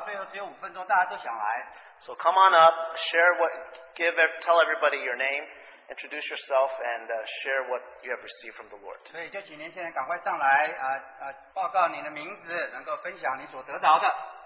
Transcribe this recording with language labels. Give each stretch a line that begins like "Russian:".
Chinese: 在过去好像总是这样，他们一开始不交通，到了最后只有五分钟，大家都想来。
English: So come on up, share what, tell everybody your name, introduce yourself, and share what you have received from the Lord.
Chinese: 所以就请年轻人赶快上来，报告你的名字，能够分享你所得到的。